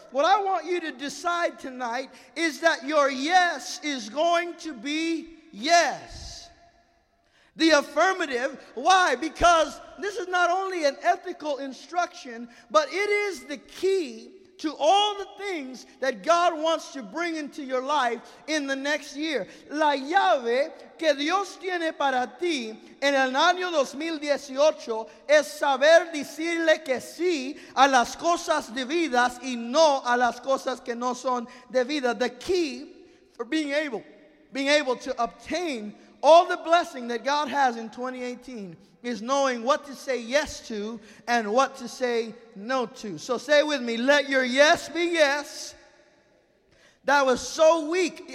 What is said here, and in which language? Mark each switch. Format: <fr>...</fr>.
<en>What I want you to decide tonight is that your yes is going to be yes. The affirmative. Why? Because this is not only an ethical instruction, but it is the key to all the things that God wants to bring into your life in the next year.</en> <es>La llave que Dios tiene para ti en el año 2018 es saber decirle que sí a las cosas debidas y no a las cosas que no son debidas.</es> <en>The key for being able to obtain all the blessing that God has in 2018 is knowing what to say yes to and what to say no to. So say with me, let your yes be yes. That was so weak.</en>